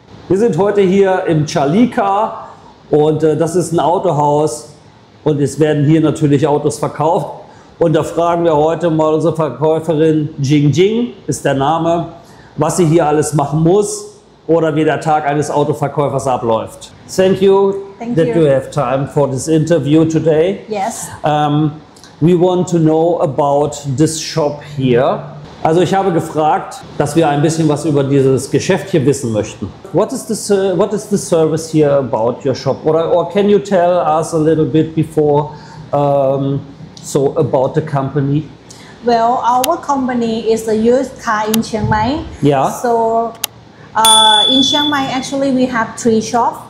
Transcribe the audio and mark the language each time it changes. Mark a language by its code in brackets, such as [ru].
[de] Wir sind heute hier im Chalika und das ist ein Autohaus und es werden hier natürlich Autos verkauft. Und da fragen wir heute mal unsere Verkäuferin, Jing Jing ist der Name, was sie hier alles machen muss oder wie der Tag eines Autoverkäufers abläuft. [en] Thank you that you have time for this interview today. Yes. We want to know about this shop here. [de] Also ich habe gefragt, dass wir ein bisschen was über dieses Geschäft hier wissen möchten. [en] What is the service here about your shop? Or can you tell us a little bit before, so about the company? Well, our company is a used car in Chiang Mai. Yeah. So in Chiang Mai, actually, we have three shops.